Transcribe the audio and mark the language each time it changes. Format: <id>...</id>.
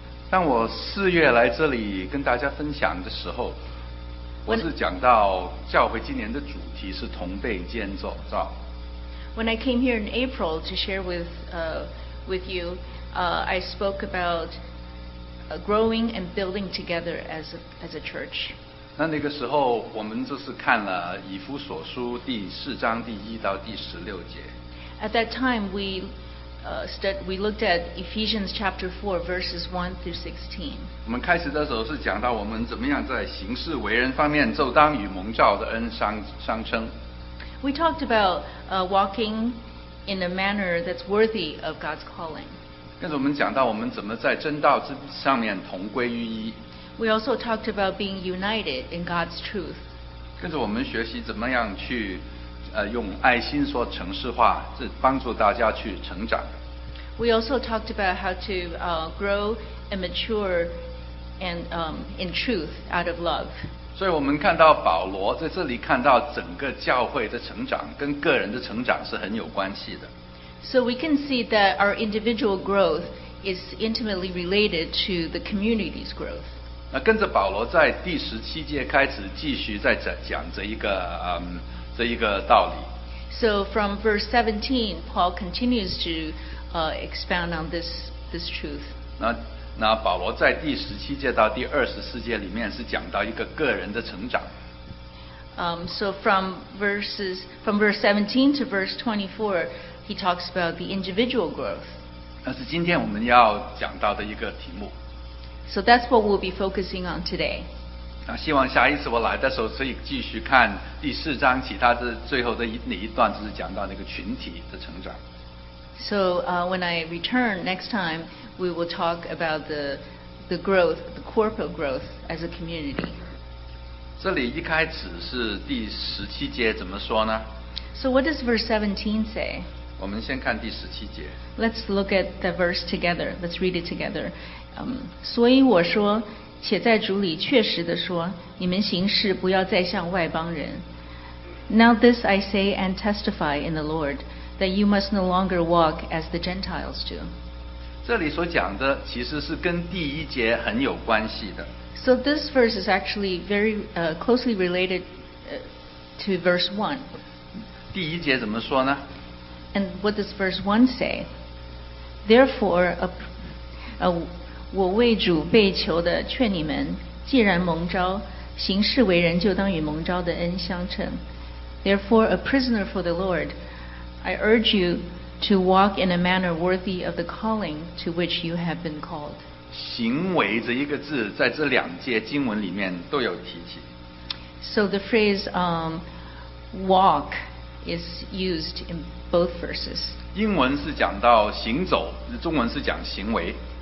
<zh>当我四月来这里跟大家分享的时候，我是讲到教会今年的主题是同被建造。</zh> <en>When I came here in April to share with you, I spoke about growing and building together as a church.</en> <zh>那个时候我们就是看了以弗所书第四章第一到第十六节。</zh> <en>At that time, we looked at Ephesians chapter 4, verses 1 through 16.</en> <zh>我们开始的时候是讲到我们怎么样在行事为人方面就当与蒙召的恩相称。</zh> <en>We talked about walking in a manner that's worthy of God's calling.</en> <zh>跟着我们讲到我们怎么在真道之上面同归于一。</zh> <en>We also talked about being united in God's truth.</en> <zh>跟着我们学习怎么样去用爱心说诚实话，是帮助大家去成长。</zh> <en>We also talked about how to grow and mature and in truth out of love.</en> <zh>所以我们看到保罗在这里看到整个教会的成长跟个人的成长是很有关系的。</zh> <en>So we can see that our individual growth is intimately related to the community's growth.</en> <zh>那跟着保罗在第十七节开始继续在讲这一个这一个道理。</zh> <en>So from verse 17, Paul continues to expound on this truth.</en> <zh>那保罗在第十七节到第二十四节里面是讲到一个个人的成长。</zh> <en>So from verse 17 to verse 24, he talks about the individual growth.</en> <zh>那是今天我们要讲到的一个题目。</zh> <en>So that's what we'll be focusing on today.</en> <zh>希望下一次我来的时候可以继续看第四章其他的最后的哪一段，就是讲到那个群体的成长。</zh> <en>So when I return next time, we will talk about the growth, the corporate growth as a community.</en> <zh>这里一开始是第十七节怎么说呢？</zh> <en>So what does verse 17 say?</en> <zh>我们先看第十七节。</zh> <en>Let's look at the verse together. Let's read it together.</en> <zh>所以我说。且在主里确实地说，你们行事不要再像外邦人。</zh> <en>Now this I say and testify in the Lord, that you must no longer walk as the Gentiles do.</en> <zh>这里所讲的其实是跟第一节很有关系的。</zh> <en>So this verse is actually very closely related to verse 1.</en> <zh>第一节怎么说呢？</zh> <en>And what does verse 1 say? Therefore, a</en> <zh>我为主被囚的劝你们，既然蒙召，行事为人就当与蒙召的恩相称。</zh> <en>Therefore, a prisoner for the Lord, I urge you to walk in a manner worthy of the calling to which you have been called.</en> <zh>行为这一个字在这两节经文里面都有提起。</zh> <en>So the phrase walk is used in both verses.</en> <zh>英文是讲到行走，中文是讲行为。</zh>